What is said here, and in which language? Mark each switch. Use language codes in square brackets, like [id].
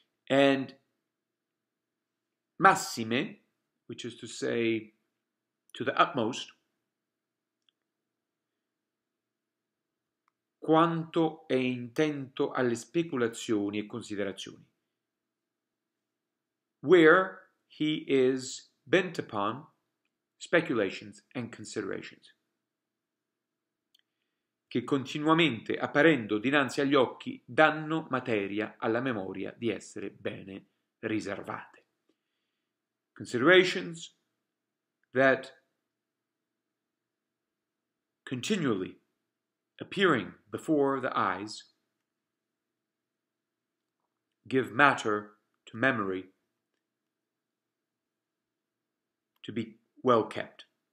[en] And massime, which is to say to the utmost, [it] quanto è intento alle speculazioni e considerazioni. [en] Where he is bent upon speculations and considerations. [it] Che continuamente apparendo dinanzi agli occhi danno materia alla memoria di essere bene riservate. [en] Considerations that continually appearing before the eyes, give matter to memory to be well kept.